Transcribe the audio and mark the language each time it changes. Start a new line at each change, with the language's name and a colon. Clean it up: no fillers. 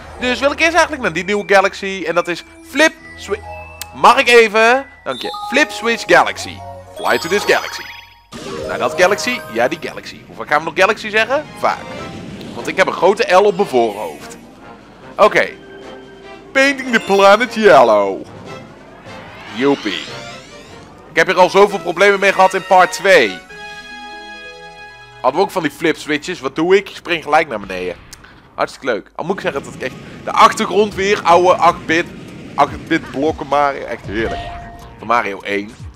Dutch: Dus wil ik eerst eigenlijk naar die nieuwe galaxy. En dat is Flip Switch. Mag ik even? Dank je.
English: Flip Switch Galaxy. Fly to this galaxy.
Dutch: Nou, dat galaxy. Ja, die galaxy. Hoeveel gaan we nog galaxy zeggen? Vaak. Want ik heb een grote L op mijn voorhoofd. Oké. Okay.
English: Painting the planet yellow.
Dutch: Joepie. Ik heb hier al zoveel problemen mee gehad in part 2. Hadden we ook van die flip switches. Wat doe ik? Ik spring gelijk naar beneden. Hartstikke leuk. Al moet ik zeggen dat ik echt de achtergrond weer, oude 8-bit, 8-bit blokken Mario. Echt heerlijk. Van Mario 1.